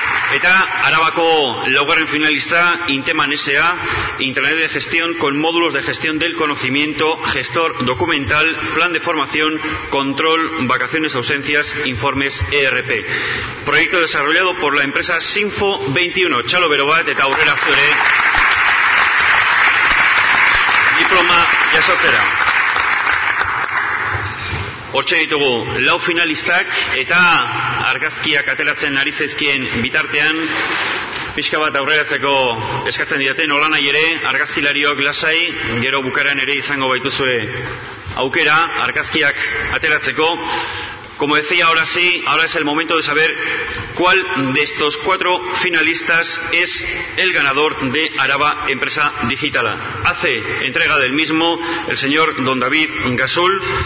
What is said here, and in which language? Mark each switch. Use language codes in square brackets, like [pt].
[eu] Eta Arabako laugarren finalista, [es] Inteman S.A., Intranet de Gestión con módulos de gestión del conocimiento, gestor documental, plan de formación, control, vacaciones, ausencias, informes, ERP. Proyecto desarrollado por la empresa Sinfo 21. [eu] Txalo bero bat eta aurrera zure. Diploma jasotzera. Hortxe ditugu, lau finalistak eta argazkiak ateratzen ari zaizkien bitartean, pixka bat aurreratzeko eskatzen didate, nola nahi ere, argazkilariok lasai, gero bukaran ere izango baituzue aukera, argazkiak ateratzeko. [es] Como decía, ahora sí, ahora es el momento de saber cuál de estos cuatro finalistas es el ganador de Araba Empresa Digitala. Hace entrega del mismo el señor Don David Gasul.